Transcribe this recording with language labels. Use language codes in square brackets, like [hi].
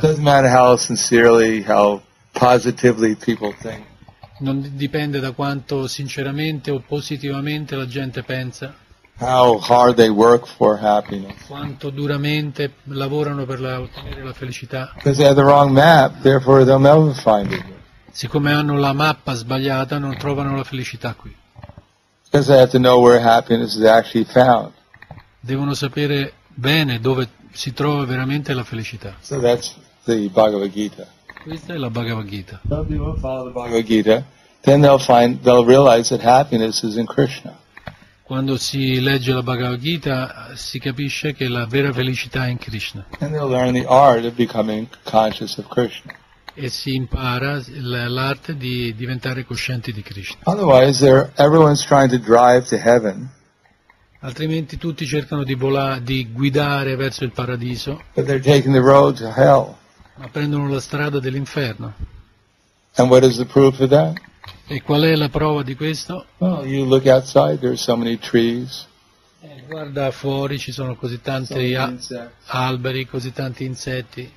[en] Doesn't matter how sincerely, how positively people think. [it] Non dipende da quanto sinceramente o positivamente la gente pensa. [en] How hard they work for happiness. [it] Quanto duramente lavorano per ottenere la felicità. [en] Because they have the wrong map, therefore they'll never find it. [it] Siccome hanno la mappa sbagliata, non trovano la felicità qui. [en] Because they have to know where happiness is actually found. [it] Devono sapere bene dove si trova veramente la felicità. [en] So that's the Bhagavad Gita. [it] Questa è la Bhagavad Gita. [en] Some people follow the Bhagavad Gita, then they'll realize that happiness is in Krishna. [it] Quando si legge la Bhagavad Gita, si capisce che la vera felicità è in Krishna. [en] And they'll learn the art of becoming conscious of Krishna. [it] E si impara l'arte di diventare coscienti di Krishna. [en] Otherwise, everyone's trying to drive to heaven. [it] Altrimenti tutti cercano di guidare verso il paradiso. [en] But they're taking the road to hell. [it] Ma prendono la strada dell'inferno. [en] And what is the proof of that? [it] E qual è la prova di questo? [en] Well, you look outside, there are so many trees. [it] Guarda fuori, ci sono così tanti alberi, così tanti insetti.